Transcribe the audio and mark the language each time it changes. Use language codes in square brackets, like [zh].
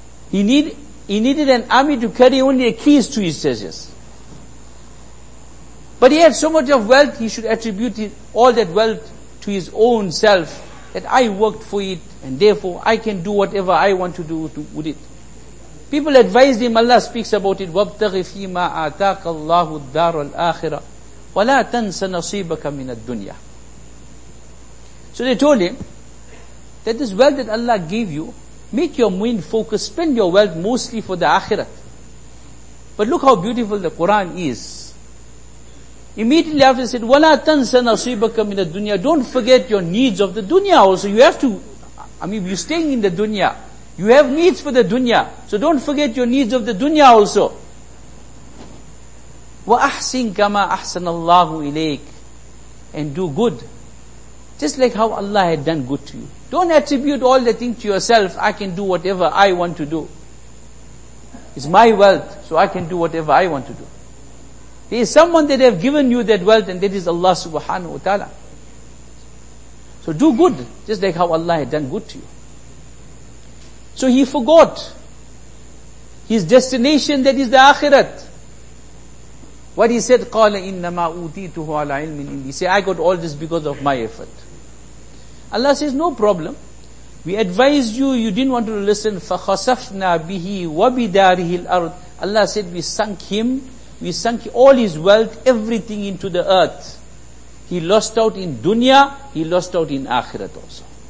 [en] He needed an army to carry only the keys to his treasures. But he had so much of wealth, he should attribute all that wealth to his own self, that I worked for it, and therefore I can do whatever I want to do with it. People advised him, Allah speaks about it, [ar] وَابْتَغِ فِي مَا آتَاكَ اللَّهُ الدَّارُ الْآخِرَةِ وَلَا تَنْسَ نَصِيبَكَ مِنَ الدُّنْيَا. [en] So they told him, that this wealth that Allah gave you, make your mind focus, spend your wealth mostly for the akhirat. But look how beautiful the Quran is. Immediately after he said, [ar] وَلَا تَنْسَ نَصِيبَكَ مِنَ الدُّنْيَا. [en] Don't forget your needs of the dunya also. You have to, you're staying in the dunya. You have needs for the dunya. So don't forget your needs of the dunya also. [ar] وَأَحْسِنْ كَمَا أَحْسَنَ اللَّهُ إِلَيْكَ. [en] And do good. Just like how Allah had done good to you. Don't attribute all the thing to yourself. I can do whatever I want to do. It's my wealth, so I can do whatever I want to do. There is someone that have given you that wealth, and that is Allah subhanahu wa ta'ala. So do good, just like how Allah had done good to you. So he forgot his destination, that is the akhirat. What he said, [ar] قَالَ إِنَّمَا أُوتِيتُهُ عَلَىٰ عِلْمٍ إِنِّي. [en] He said, I got all this because of my effort. Allah says, no problem. We advised you, you didn't want to listen. [ar] فَخَسَفْنَا بِهِ وَبِدَارِهِ الْأَرْضِ. [en] Allah said, we sunk all his wealth, everything into the earth. He lost out in dunya, he lost out in akhirat also.